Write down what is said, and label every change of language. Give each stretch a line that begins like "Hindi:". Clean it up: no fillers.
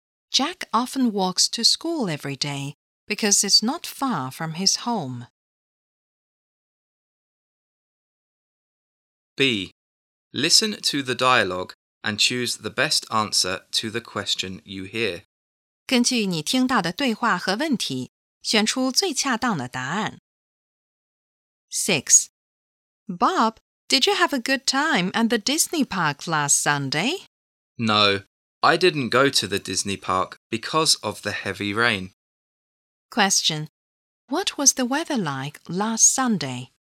English: Jack often walks to school every day because it's not far from his home. B. Listen to the dialogue and choose the best answer to the question you hear.
Chinese: 根据你听到的对话和问题，选出最恰当的答案。
English: 6. Bob. Did you have a good time at the Disney Park last Sunday? No, I didn't go to the Disney Park because of the heavy rain. Question. What was the weather like last Sunday?